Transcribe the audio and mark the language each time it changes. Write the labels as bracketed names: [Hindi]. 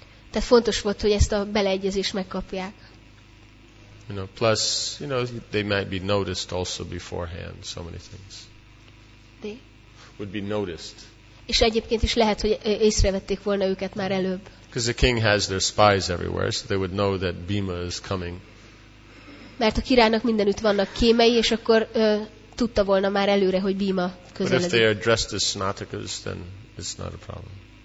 [Hungarian] Tehát fontos volt, hogy ezt a beleegyezést megkapják. [English] You know, plus, you know, they might be noticed also beforehand, so many things. [Hungarian] De? [English] Would be noticed. [Hungarian] És egyébként is lehet, hogy észrevették volna őket már előbb. [English] Because the king has their spies everywhere, so they would know that Bhima is coming. [Hungarian] Mert a királynak mindenütt vannak kémei, és akkor tudta volna már előre, hogy Bhima közeledik. [English] But if they are dressed as snatakas, then it's not a problem.